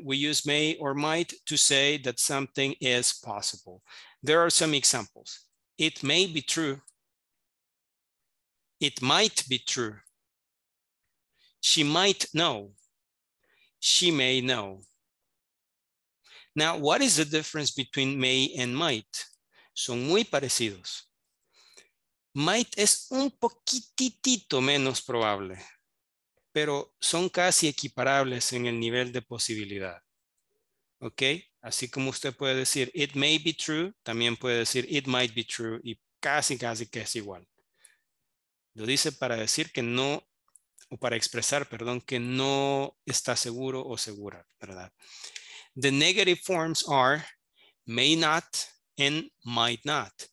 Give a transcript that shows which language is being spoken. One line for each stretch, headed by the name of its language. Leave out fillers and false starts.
English: We use may or might to say that something is possible. There are some examples. It may be true. It might be true. She might know. She may know. Now, what is the difference between may and might?
Spanish: Son muy parecidos. Might es un poquitito menos probable, pero son casi equiparables en el nivel de posibilidad. ¿Ok? Así como usted puede decir
English: it may be true,
Spanish: también puede decir
English: it might be true
Spanish: y casi, casi que es igual. Lo dice para decir que no, o para expresar, perdón, que no está seguro o segura, ¿verdad?
English: The negative forms are may not and might not.